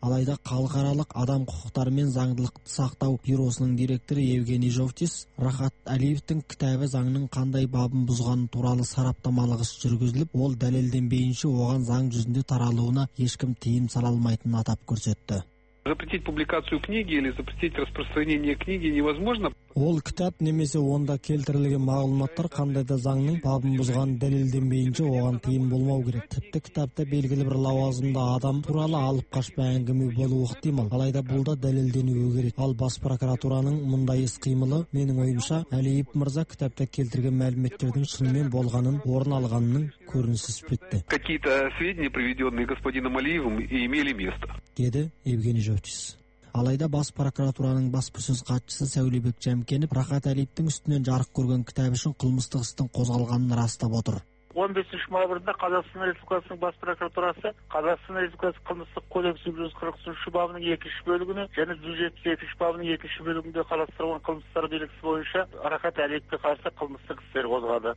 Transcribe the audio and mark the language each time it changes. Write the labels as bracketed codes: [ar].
[kk] Алайда халықаралық адам құқықтары мен заңдылықты сақтау бюросының директоры Евгений Жовтис Рахат Алиевтің кітабы заңның қандай бабын бұзғаны туралы сараптамалық іс жүргізіліп, ол дәлелденбейінше оған заң жүзінде таралуына ешкім тыйым сала алмайтынын атап көрсетті. [ru] Запретить публикацию книги или запретить распространение книги невозможно. [kk] Ол кітап немесе онда келтірілген мағлұматтар қандай да заңның бабын бұзғанын дәлелденбейінше оған тыйым болмау керек. Тіпті кітапта белгілі бір лауазымды адам туралы алып қашпа әңгіме болуы ықтимал. Алайда бұл да дәлелденуі керек. Ал бас прокуратураның мұндай іс-қимылы, менің ойымша, Әлиев мырза кітапта келтірген мәліметтердің шынымен болғанын, орын алғанының көрінісі іспетті. [ru] Какие-то сведения, приведенные господином Алиевым, имели место. [kk] Деді Евгений Жовтис. Алайда бас прокуратураның баспасөз хатшысы Сәулебек Жәмкенов Рахат Алиевтің үстінен жарық көрген кітап үшін қылмыстық істің қозғалғанын растап отыр. 15 мамырда Қазақстан Республикасының бас прокуратурасы Қазақстан Республикасы қылмыстық кодексінің 143 бабының 2-ші бөлігіне және 172 бабының 2-ші бөлігінде қарастырылған қылмыстар дерегі бойынша Рахат Әлиевке қарсы қылмыстық істер қозғады.